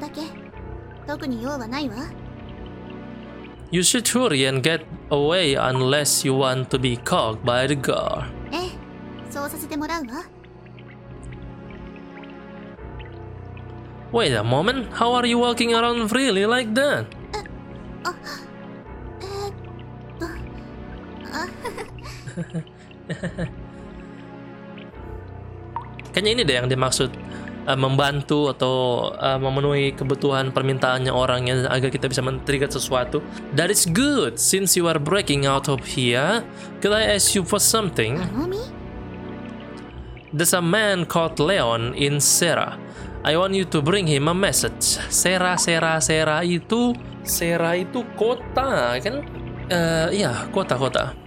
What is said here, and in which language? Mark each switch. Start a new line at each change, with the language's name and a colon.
Japanese: うん、物音がしたから覗いただけ。特に用はないわ。
English: You should hurry and get away unless you want to be caught by the guard.
Japanese: ええ、そうさせてもらうわ。
English: Wait a moment. How are you walking around freely like that?
Indonesian: Kayaknya ini deh yang dimaksud. membantu atau memenuhi kebutuhan permintaannya orangnya agar kita bisa men-trigger sesuatu.
English: That is good. Since you are breaking out of here, could I ask you for something? There's a man called Leon in Sera. I want you to bring him a message.
Indonesian: Sera itu kota, kan? Kota.